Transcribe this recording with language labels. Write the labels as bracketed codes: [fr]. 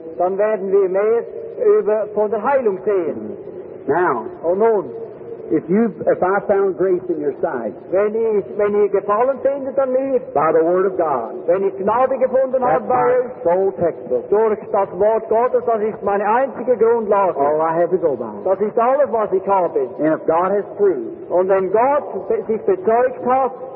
[de] Dann werden wir mehr über von der Heilung sehen. [en] Now. [de] Oh nun. [en] If I found grace in your sight, [de] wenn ihr gefallen findet an mir, [en] by the Word of God, [de] wenn ich Gnade gefunden habe bei euch, [en] sole textbook, [de] durch das Wort Gottes, das ist meine einzige Grundlage. [en] All I have to go by. [de] Das ist alles, was ich habe. [en] And if God has proved, [de] und wenn Gott sich bezeugt hat,